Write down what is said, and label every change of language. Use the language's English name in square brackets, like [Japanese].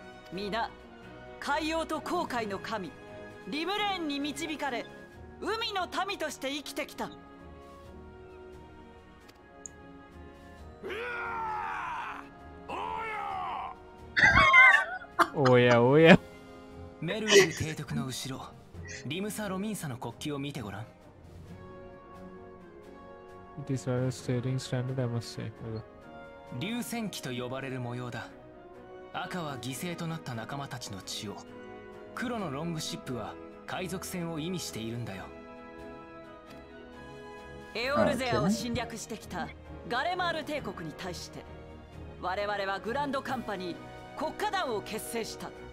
[Japanese] 皆、海洋と航海の神リムレーンに導かれ、海の民として生きてきた。おやおや。メルウィル提督の後ろ、リムサ・ロミンサの国旗を見てごらん。 [English] These are the sailing standard, I must say. [Japanese] 流線旗と呼ばれる模様だ。赤は犠牲となった仲間たちの血を、黒のロングシップは海賊船を意味しているんだよ。エオルゼアを侵略してきたガレマール帝国に対して、我々はグランドカンパニー国家団を結成した。